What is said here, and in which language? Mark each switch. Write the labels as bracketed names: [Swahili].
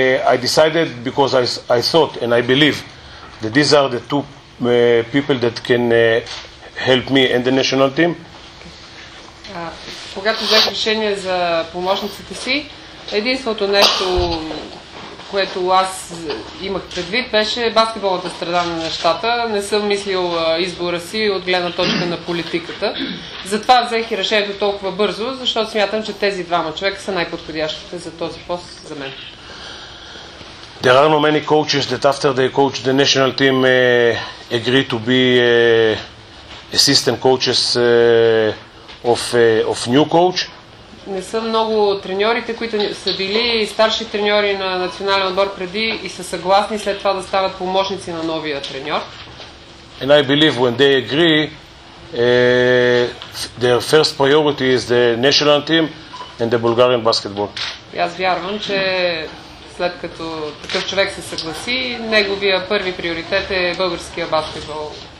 [English] I decided because I thought and I believe that these are the two people that can help me and the national team. [Bulgarian] Когато взех решение за помощниците си, единственото нещо, което аз имах предвид, беше баскетболната страна на нещата. Не съм мислил избора си от гледна точка на политиката. Затова взех и решението толкова бързо, защото смятам, че тези двама човека са най-подходящите за този пост за мен. [English] There are no many coaches that after they coach the national team agree to be assistant coaches of new coach. [Bulgarian] Не са много треньорите, които са били старши треньори на национален отбор преди и са съгласни след това да стават помощници на новия треньор. [English] And I believe when they agree, their first priority is the national team and the Bulgarian basketball. [Bulgarian] И аз вярвам, че след като такъв човек се съгласи, неговия първи приоритет е българския баскетбол.